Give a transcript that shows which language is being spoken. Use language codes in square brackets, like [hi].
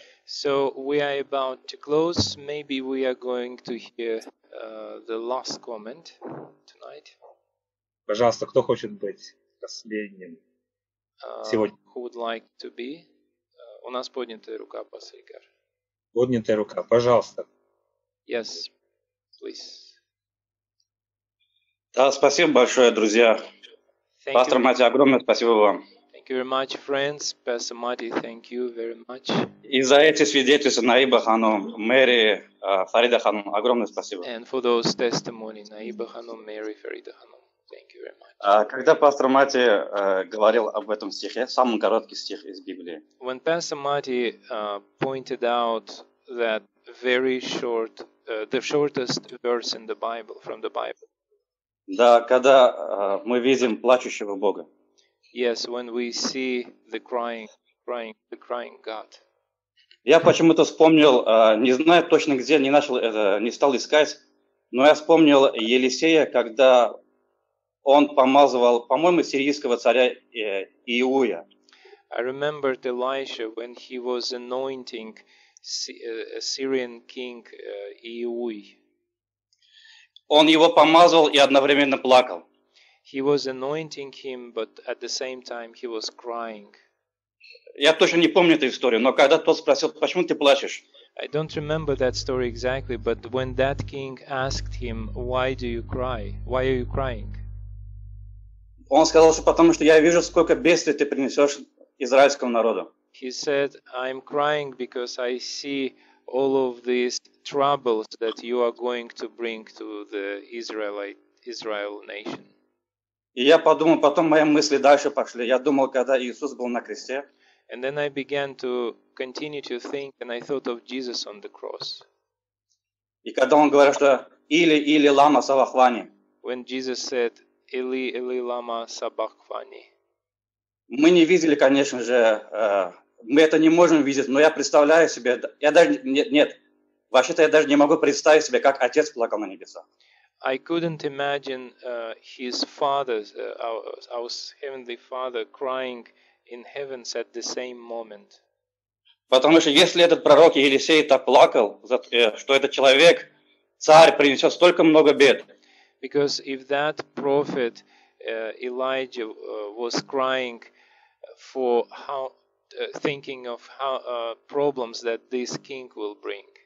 [en] So we are about to close. Maybe we are going to hear the last comment tonight. [ru] Пожалуйста, кто хочет быть последним сегодня? [en] Who would like to be? [ru] У нас поднятая рука, пастор Игар. Поднятая рука, пожалуйста. [en] Yes, please. [ru] Да, спасибо большое, друзья. Пастор Мати, огромное спасибо вам. [en] Thank you very much, friends. Pastor Marty, thank you very much. [ru] И за эти свидетельства Наиба ханум, Мэри Фарида ханум, огромное спасибо. [en] And for those testimonies, Наиба ханум, Мэри Фарида ханум, thank you very much. [ru] Когда пастор Марти говорил об этом стихе, самый короткий стих из Библии. [en] When Pastor Marty pointed out that very short, the shortest verse in the Bible, from the Bible. [ru] Да, когда мы видим плачущего Бога. [en] Yes, when we see the crying God. [ru] Я почему-то вспомнил, не знаю точно где, не начал это, не стал искать, но я вспомнил Елисея, когда он помазывал, по-моему, сирийского царя Иуя. [en] I remembered Elisha when he was anointing a Syrian king Иуй. [ru] Он его помазывал и одновременно плакал. [en] He was anointing him, but at the same time he was crying. [ru] Я точно не помню эту историю, но когда тот спросил, почему ты плачешь? [en] I don't remember that story exactly, but when that king asked him, why do you cry? Why are you crying? [ru] Он сказал, что потому что я вижу, сколько бедствий ты принесешь израильскому народу. [en] He said, I'm crying because I see all of these troubles that you are going to bring to the Israel nation. [ru] И я подумал, потом мои мысли дальше пошли. Я думал, когда Иисус был на кресте. [en] And then I began to continue to think, and I thought of Jesus on the cross. [ru] И когда он говорил, что [arc] «Или, или, лама, сабахвани». [en] When Jesus said, [arc] «Или, или, лама, сабахвани». [ru] Мы не видели, конечно же, мы это не можем видеть, но я представляю себе, я даже, нет, вообще-то я даже не могу представить себе, как Отец плакал на небесах. [en] I couldn't imagine his father, our heavenly father, crying in heavens at the same moment. [ru] Потому что если этот пророк Елисей так плакал, что этот человек, царь, принесет столько много бед. [en] Because if that prophet Elijah was crying for how, thinking of how problems that this king will bring.